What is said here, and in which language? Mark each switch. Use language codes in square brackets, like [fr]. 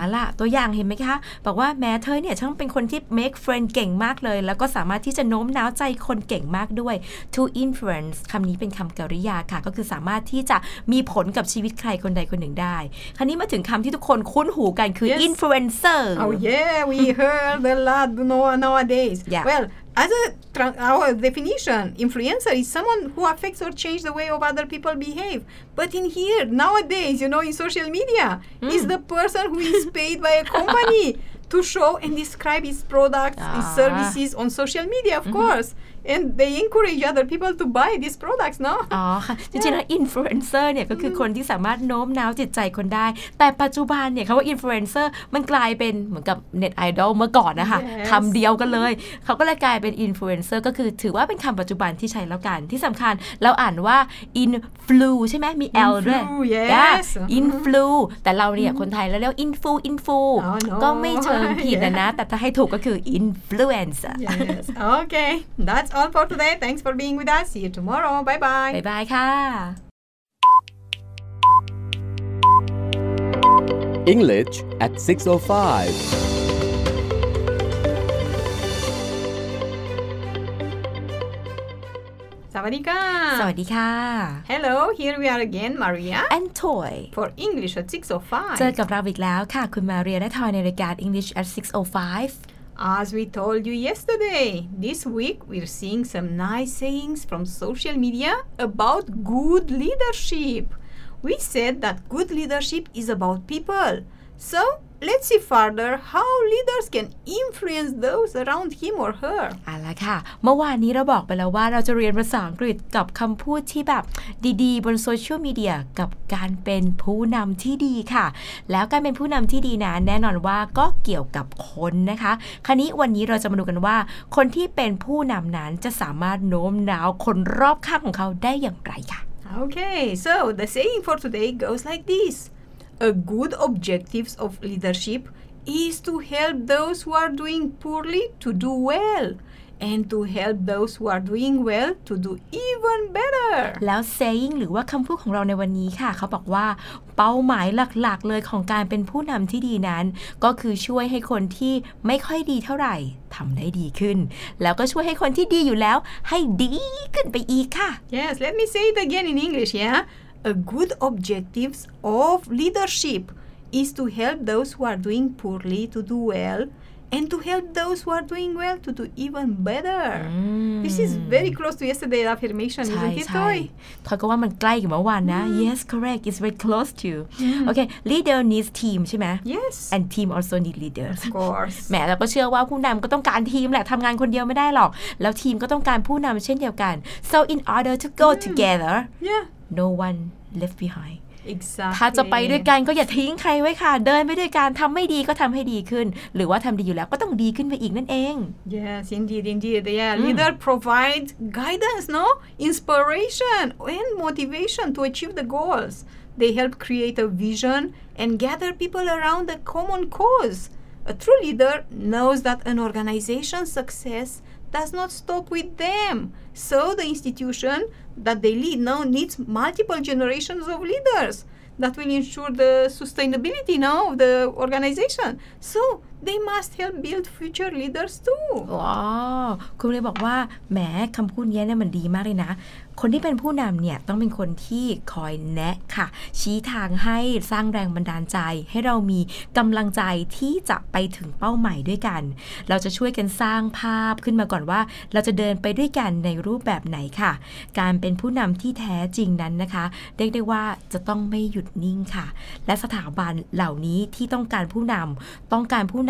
[th] ล่ะตัวอย่างเห็นไหมคะบอกว่าแม้เธอเนี่ยช่างเป็นคนที่ make friend เก่งมากเลยแล้วก็สามารถที่จะโน้มน้าวใจคนเก่งมากด้วย to influence คำนี้เป็นคำกริยาค่ะก็คือสามารถที่จะมีผลกับชีวิตใครคนใดคนหนึ่งได้คราวนี้มาถึงคำที่ทุกคนคุ้นหูกันคือ yes. [en] influencer oh yeah we heard a lot nowadays yeah. wellAs our definition, influencer is someone who affects or changes the way of other people behave. But in here, nowadays, you know, in social media, mm. is the person who is paid by a company to show and describe its products, its services on social media, of mm-hmm. course. And they encourage other people to buy these products, no? [th] อ๋อค่ะจริงๆแล้ว influencer เนี่ยก็คือคนที่สามารถโน้มน้าวจิตใจคนได้แต่ปัจจุบันเนี่ยคำว่า influencer มันกลายเป็นเหมือนกับ net idol เมื่อก่อนนะคะ [en] yes. [th] คำเดียวกันเลย เขาก็เลยกลายเป็น influencer ก็คือถือว่าเป็นคำปัจจุบันที่ใช้แล้วกันที่สำคัญเราอ่านว่า influ ใช่ไหมมี l ด้วย [en] yes [th] influ แต่เราเนี่ย คนไทยแล้วเรียก influ influ [en] oh, no. [th] ก็ไม่เชิงผิดนะแต่ถ้าให้ถูกก็คือ influencer [en] yes okay thatAll for today. Thanks for being with us. See you tomorrow. Bye-bye. Bye-bye, ค่ะ English at 6:05. [th] สวัสดีค่ะ สวัสดีค่ะ [en] Hello. Here we are again, Maria. And Toy. For English at 6:05. [th] เจอกับเราอีกแล้วค่ะคุณมาเรียและทอยในรายการ English at 6:05. [en] As we told you yesterday, this week we're seeing some nice sayings from social media about good leadership. We said that good leadership is about people. So, let's see further how leaders can influence those around him or her. [th] อ่ะล่ะค่ะเมื่อวานนี้เราบอกไปแล้วว่าเราจะเรียนภาษาอังกฤษกับคำพูดที่แบบดีๆบนโซเชียลมีเดียกับการเป็นผู้นำที่ดีค่ะแล้วการเป็นผู้นำที่ดีนะแน่นอนว่าก็เกี่ยวกับคนนะคะคราวนี้วันนี้เราจะมาดูกันว่าคนที่เป็นผู้นำนั้นจะสามารถโน้มน้าวคนรอบข้างของเขาได้อย่างไรค่ะ [en] Okay, so the saying for today goes like thisA good objective of leadership is to help those who are doing poorly to do well, and to help those who are doing well to do even better. [th] แล้ว saying หรือว่าคำพูดของเราในวันนี้ค่ะเขาบอกว่าเป้าหมายหลักๆเลยของการเป็นผู้นำที่ดีนั้นก็คือช่วยให้คนที่ไม่ค่อยดีเท่าไหร่ทำได้ดีขึ้นแล้วก็ช่วยให้คนที่ดีอยู่แล้วให้ดีขึ้นไปอีกค่ะ [en] Yes, let me say it again in English, yeah? A good objective of leadership is to help those who are doing poorly to do well and to help those who are doing well to do even better. Mm. This is very close to yesterday's affirmation, isn't it, Toy? [th] ถ้าก็ว่ามันใกล้กับเมื่อวานนะ [en] Yes, correct. It's very close to. Okay, leader needs team, [th] ใช่ไหม [en] Yes. And team also need leaders. Of course. [th] แม้เราก็เชื่อว่าผู้นำก็ต้องการทีมแหละทำงานคนเดียวไม่ได้หรอกแล้วทีมก็ต้องการผู้นำเช่นเดียวกัน [en] So in order to go together, yeah. No one left behind. Exactly. [th] ถ้าจะไปด้วยกันก็อย่าทิ้งใครไว้ค่ะเดินไปด้วยกันทำไม่ดีก็ทำให้ดีขึ้นหรือว่าทำดีอยู่แล้วก็ต้องดีขึ้นไปอีกนั่นเอง [en] Yes, indeed, indeed. Yeah, leader provides guidance, no? Inspiration and motivation to achieve the goals. They help create a vision and gather people around a common cause. A true leader knows that an organization's success does not stop with them. So the institution... that they lead now needs multiple generations of leaders that will ensure the sustainability now of the organization. So they must help build future leaders too. Wow. [th] คุณเลยบอกว่าแหมคำพูดนี้เนี่ยมันดีมากเลยนะคนที่เป็นผู้นำเนี่ยต้องเป็นคนที่คอยแนะค่ะชี้ทางให้สร้างแรงบันดาลใจให้เรามีกำลังใจที่จะไปถึงเป้าหมายด้วยกันเราจะช่วยกันสร้างภาพขึ้นมาก่อนว่าเราจะเดินไปด้วยกันในรูปแบบไหนค่ะการเป็นผู้นำที่แท้จริงนั้นนะคะเรียกได้ว่าจะต้องไม่หยุดนิ่งค่ะและสถาบันเหล่านี้ที่ต้องการผู้นำต้องการผู้น